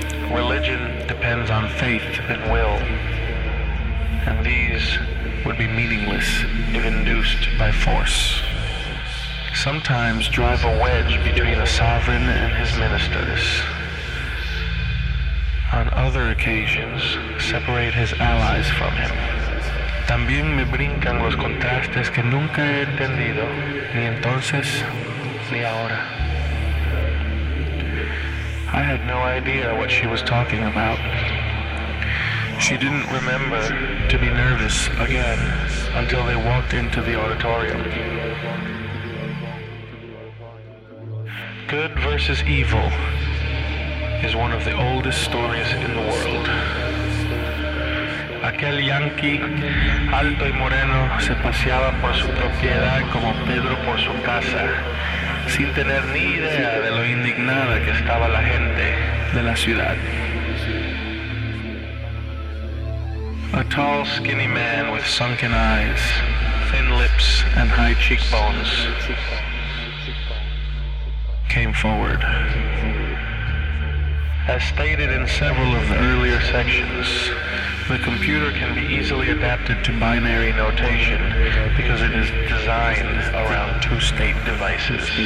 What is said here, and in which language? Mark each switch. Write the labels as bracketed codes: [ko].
[en] Religion depends on faith and will, and these would be meaningless if induced by force. Sometimes drive a wedge between a sovereign and his ministers. On other occasions, separate his allies from him. [es] También me brincan los contrastes que nunca he entendido, ni entonces, ni ahora. [en] I had no idea what she was talking about. She didn't remember to be nervous again until they walked into the auditorium. Good versus evil is one of the oldest stories in the world. [es] Aquel yankee, alto y moreno, se paseaba por su propiedad como Pedro por su casa, sin tener ni idea de lo indignada que estaba la gente de la ciudad. [en] A tall, skinny man with sunken eyes, thin lips, and high cheekbones came forward. As stated in several of the earlier sections, the computer can be easily adapted to binary notation because it is designed around two-state devices.